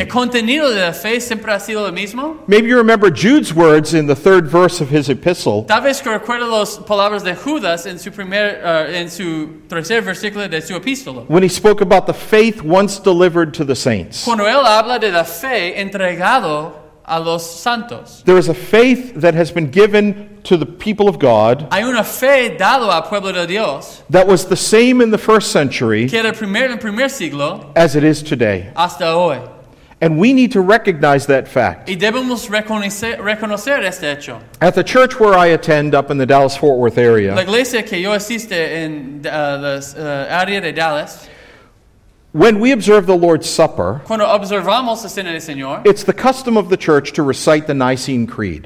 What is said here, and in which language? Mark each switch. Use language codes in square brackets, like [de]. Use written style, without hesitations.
[es] ¿El contenido de la fe siempre ha sido el mismo? [en] Maybe you remember Jude's words in the third verse of his epistle. [es] Tal vez recuerda las palabras de Judas en su tercer versículo de su epístola. [en] When he spoke about the faith once delivered to the saints. [es] Cuando él habla de la fe entregado a los santos. [en] There is a faith that has been given to the people of God. [es] Hay una fe dado al pueblo de Dios. [en] That was the same in the first century. [es] Que era en primer siglo. [en] As it is today. [es] Hasta hoy. [en] And we need to recognize that fact. [es] Y debemos reconocer este hecho. [en] At the church where I attend up in the Dallas-Fort Worth area. [es] La iglesia que yo asiste en la área de Dallas. [en] When we observe the Lord's Supper, [es] cuando observamos la cena del Señor, [en] it's the custom of the church to recite the Nicene Creed.